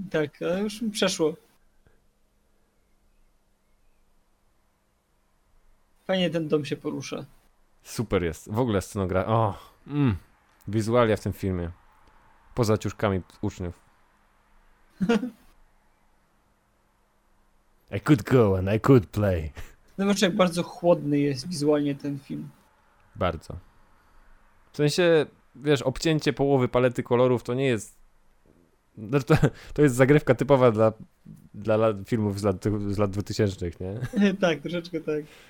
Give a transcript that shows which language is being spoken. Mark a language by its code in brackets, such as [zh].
[pl] Tak, ale już mi przeszło. Fajnie ten dom się porusza. Super jest. W ogóle scenografia. O, wizualia w tym filmie. Poza ciuszkami uczniów. [en] I could go and I could play. [pl] Zobacz, jak bardzo chłodny jest wizualnie ten film. Bardzo. W sensie, wiesz, obcięcie połowy palety kolorów to nie jest... To jest zagrywka typowa dla lat, filmów z lat 2000, nie? Tak, troszeczkę tak.